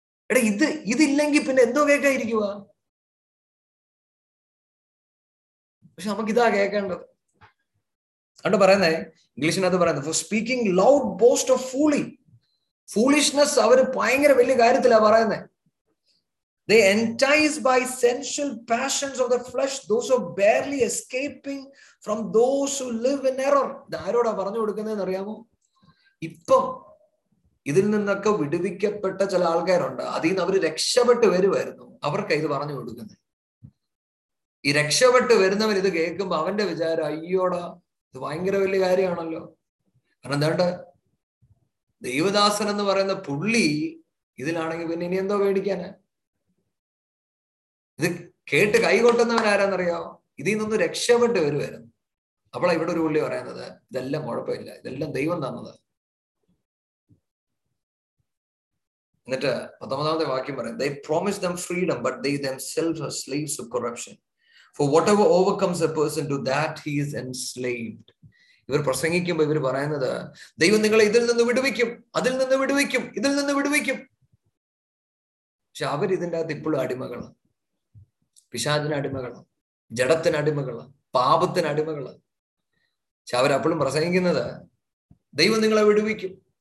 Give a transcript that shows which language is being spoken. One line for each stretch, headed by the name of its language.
Malayalam: എടാ, ഇത് ഇതില്ലെങ്കിൽ പിന്നെ എന്തോ കേൾക്കാതിരിക്കുക. പക്ഷെ നമുക്ക് ഇതാ കേൾക്കേണ്ടത്. അതുകൊണ്ട് പറയുന്നേ ഇംഗ്ലീഷിനകത്ത് പറയുന്നത്
English: For speaking loud boast of fooly foolishness.
Malayalam: അവര് ഭയങ്കര വലിയ കാര്യത്തിലാ പറയുന്നേ.
English: They enticed by sensual passions of the flesh those who are barely escaping from those who live in error.
Malayalam: ഇതാരോടാ പറഞ്ഞു കൊടുക്കുന്നതെന്ന് അറിയാമോ? ഇപ്പം ഇതിൽ നിന്നൊക്കെ വിടുവിക്കപ്പെട്ട ചില ആൾക്കാരുണ്ട്, അതിൽ നിന്ന് അവർ രക്ഷപ്പെട്ട് വരുമായിരുന്നു, അവർക്ക് ഇത് പറഞ്ഞു കൊടുക്കുന്നത്. ഈ രക്ഷപ്പെട്ട് വരുന്നവർ ഇത് കേൾക്കുമ്പോ അവന്റെ വിചാരം അയ്യോടാ ഇത് ഭയങ്കര വലിയ കാര്യമാണല്ലോ. കാരണം എന്താ ദൈവദാസൻ എന്ന് പറയുന്ന പുള്ളി ഇതിലാണെങ്കിൽ പിന്നെ ഇനി എന്തോ മേടിക്കാന്. ഇത് കേട്ട് കൈകൊട്ടുന്നവനാരാന്നറിയോ? ഇതിൽ നിന്ന് രക്ഷപ്പെട്ട് വരുമായിരുന്നു. അപ്പോളാ ഇവിടെ ഒരു പുള്ളി പറയുന്നത് ഇതെല്ലാം കുഴപ്പമില്ല, ഇതെല്ലാം ദൈവം തന്നത്. എന്നിട്ട് പത്തൊമ്പതാമത്തെ വാക്യം പറയും,
English: they promised them freedom but they themselves are slaves of corruption. For whatever overcomes a person to that he is enslaved.
Malayalam: ഇവർ പ്രസംഗിക്കുമ്പോ ഇവർ പറയുന്നത് ദൈവം നിങ്ങളെ ഇതിൽ നിന്ന് വിടുവിക്കും, അതിൽ നിന്ന് വിടുവിക്കും, ഇതിൽ നിന്ന് വിടുവിക്കും. പക്ഷെ അവർ ഇതിൻ്റെ അകത്ത് ഇപ്പോഴും അടിമകള്, പിശാചിന് അടിമകള്, ജഡത്തിന് അടിമകള്, പാപത്തിന് അടിമകള്. പക്ഷെ അവരപ്പോഴും പ്രസംഗിക്കുന്നത് ദൈവം നിങ്ങളെ വിടുവിക്കും.